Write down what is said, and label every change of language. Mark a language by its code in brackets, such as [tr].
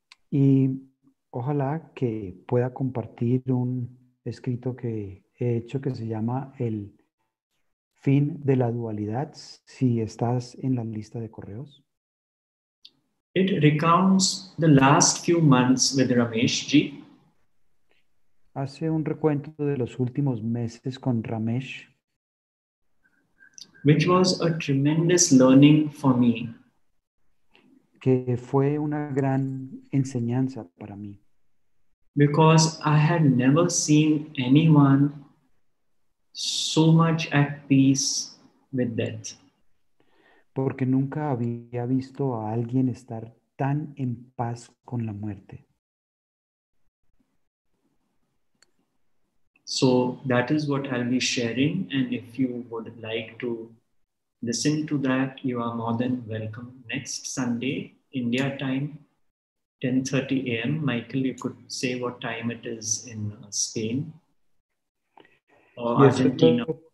[es] Y ojalá que pueda compartir un escrito que he hecho que se llama El fin de la dualidad, si estás en la lista de correos. [en] It recounts the last few months with Ramesh ji. [es] Hace un recuento de los últimos meses con Ramesh. [en] Which was a tremendous learning for me. [es] Que fue una gran enseñanza para mí. [en] Because I had never seen anyone so much at peace with death. [es] Porque nunca había visto a alguien estar tan en paz con la muerte. [en] So that is what I'll be sharing. And if you would like to listen to that, you are more than welcome. Next Sunday, India time, 10:30 a.m. Michael, you could say what time it is in Spain or y Argentina.